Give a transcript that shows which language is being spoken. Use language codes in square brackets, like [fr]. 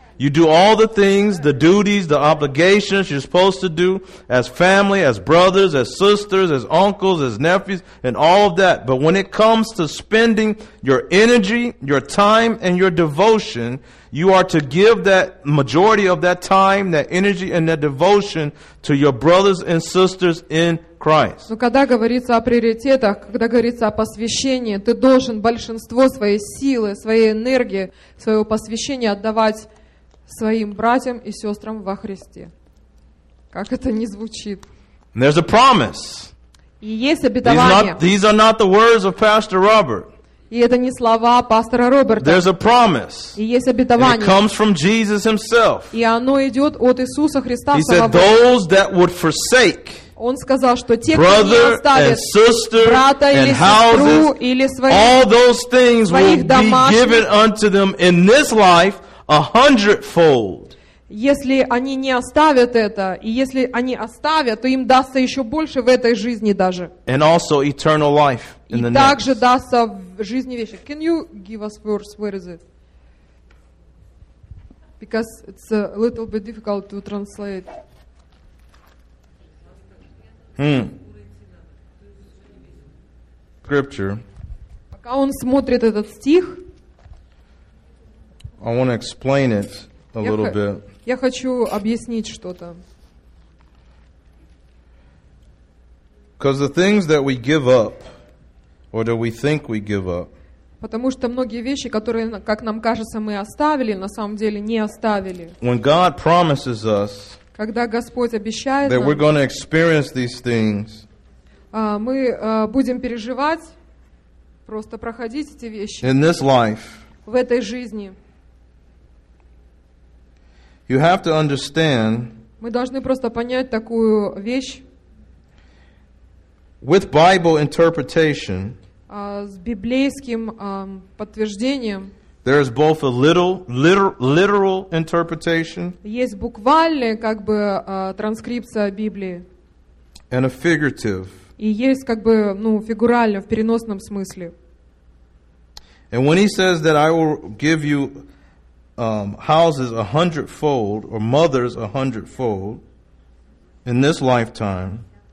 [en] You do all the things, the duties, the obligations you're supposed to do as family, as brothers, as sisters, as uncles, as nephews, and all of that. But when it comes to spending your energy, your time, and your devotion, you are to give that majority of that time, that energy, and that devotion to your brothers and sisters in Christ. [ru] Но когда говорится о приоритетах, когда говорится о посвящении, ты должен большинство своей силы, своей энергии, своего посвящения отдавать своим братьям и сестрам во Христе. Как это не звучит. [en] There's a promise. [ru] И есть обетование. [en] These are not the words of Pastor Robert. [ru] И это не слова пастора Роберта. [en] There's a promise. [ru] И есть обетование. [en] And it comes from Jesus himself. [ru] И оно идет от Иисуса Христа самого. [en] He said, those that would forsake [ru] Он сказал, что те, кто не оставит брата или сестру или своих домашних, [en] A hundredfold. [ru] Если они не оставят это, и если они оставят, то им дастся еще больше в этой жизни даже. [en] And also eternal life in the next. [ru] И также дастся в жизни вещи. [en] Can you give us verse? Where is it? Because it's a little bit difficult to translate. Scripture. [ru] Пока он смотрит этот стих. [en] I want to explain it a little bit. [ru] Я хочу объяснить что-то. [en] Because the things that we give up, or that we think we give up. [ru] Потому что многие вещи, которые, как нам кажется, мы оставили, на самом деле не оставили. [en] When God promises us, [ru] когда Господь обещает, [en] that we're going to experience these things, [ru] мы будем переживать, просто проходить эти вещи. [en] In this life. [ru] В этой жизни. [en] You have to understand. [ru] Мы должны просто понять такую вещь. [en] With Bible interpretation. [ru] С библейским подтверждением. [en] There is both a literal interpretation. [ru] Есть буквальная как бы транскрипция Библии. [en] And a figurative. [ru] И есть как бы ну фигурально в переносном смысле. [en] And when he says that I will give you houses a hundredfold or mothers a hundredfold in this lifetime.